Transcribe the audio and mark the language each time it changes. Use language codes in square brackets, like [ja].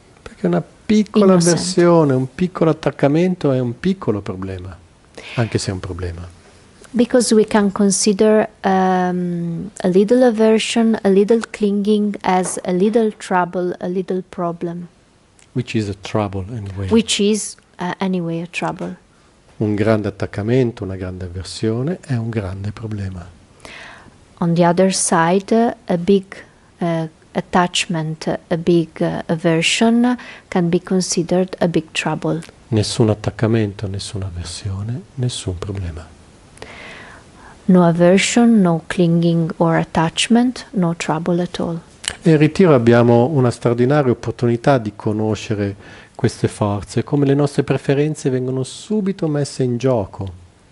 [it] Perché una piccola avversione, un piccolo attaccamento è un piccolo problema, anche se è un problema. [en] Because we can consider a little aversion, a little clinging as a little trouble, a little problem. Which is a trouble anyway. Which is anyway a trouble. [it] Un grande attaccamento, una grande avversione è un grande problema. [en] On the other side, a big attachment, a big aversion can be considered a big trouble. [it] Nessun attaccamento, nessuna avversione, nessun problema. [en] No aversion, no clinging or attachment, no trouble at all. [it] E in ritiro abbiamo una straordinaria opportunità di conoscere queste forze, come le nostre preferenze vengono subito messe in gioco.